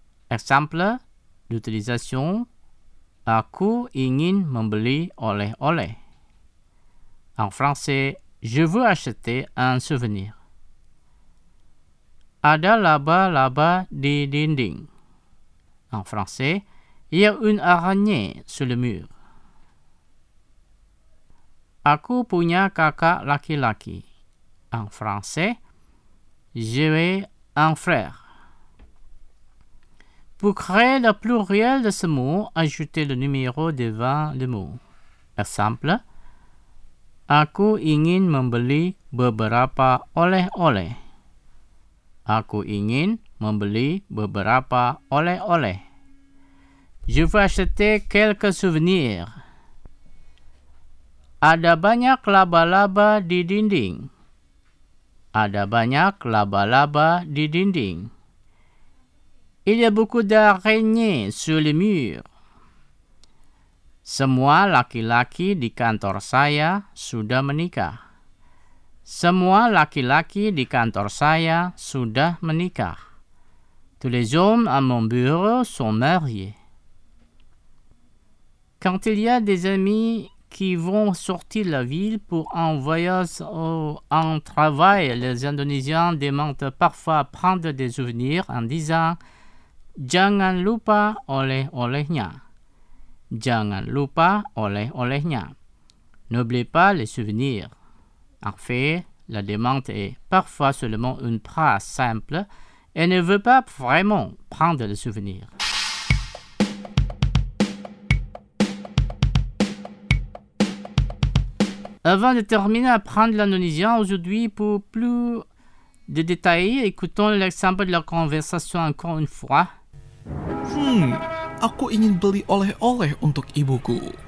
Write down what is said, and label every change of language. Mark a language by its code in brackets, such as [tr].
[fr] Exemple d'utilisation: [id] Aku ingin membeli oleh oleh. [fr] En français, je veux acheter un souvenir. [id] Ada laba-laba di dinding. [fr] En français, il y a une araignée sur le mur. [id] Aku punya kakak laki-laki. [fr] En français, j'ai un frère. Pour créer le pluriel de ce mot, ajoutez le numéro devant le mot. [id] Exemple, aku ingin membeli beberapa oleh-oleh. Aku ingin membeli beberapa oleh-oleh. [fr] Je veux acheter quelques souvenirs. [id] Ada banyak laba-laba di dinding. Ada banyak laba-laba di dinding. [fr] Il y a beaucoup d'araignées sur les murs. [id] Semua laki-laki di kantor saya sudah menikah. Semua laki-laki di kantor saya sudah menikah. [fr] Tous les hommes à mon bureau sont mariés. Quand il y a des amis qui vont sortir de la ville pour un voyage ou un travail, les Indonésiens demandent parfois prendre des souvenirs en disant « [id] Jangan lupa oleh-olehnya. Jangan lupa oleh-olehnya. [fr] N'oublie pas les souvenirs. » En fait, la demande est parfois seulement une phrase simple et ne veut pas vraiment prendre le souvenir. Avant de terminer, apprendre l'indonésien aujourd'hui, pour plus de détails, écoutons l'exemple de la conversation encore une fois. [id] Aku ingin beli oleh-oleh untuk ibuku.